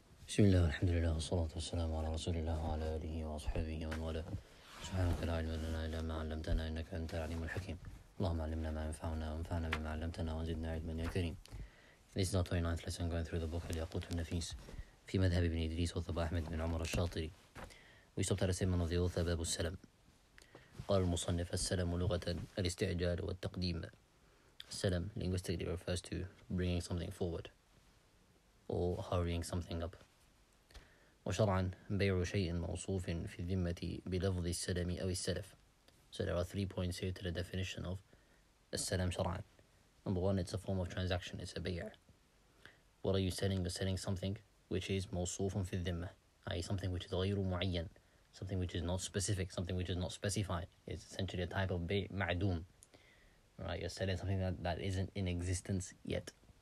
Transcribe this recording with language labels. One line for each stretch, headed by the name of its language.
Arabic: بسم الله والحمد لله والصلاة والسلام على رسول الله وعلى آله وصحبه ومن والاه. سبحانك لا علم لنا إلا ما علمتنا إنك أنت العليم الحكيم. اللهم علمنا ما ينفعنا وانفعنا بما علمتنا وزدنا علما يا كريم.
English: This is our 29th lesson going through the book of Yaqut Al Nafis
Arabic: في مذهب ابن إدريس وثب أحمد بن عمر الشاطري.
English: We stopped at a statement of the author
Arabic: باب السلام. قال المصنف السلام لغة الاستعجال والتقديم.
English: السلام linguistically refers to bringing something forward or hurrying something up.
Arabic: وشرعا بيع شيء موصوف في الذمة بلفظ السلام أو السلف.
English: So there are three points here to the definition of
Arabic: السلام شرعا.
English: Number one, it's a form of transaction, it's a بيع. What are you selling? You're selling something which is
Arabic: موصوف في الذمة,
English: i.e. something which is
Arabic: غير معين,
English: something which is not specific, something which is not specified. It's essentially a type of
Arabic: بيع معدوم.
English: Right, you're selling something that isn't in existence yet.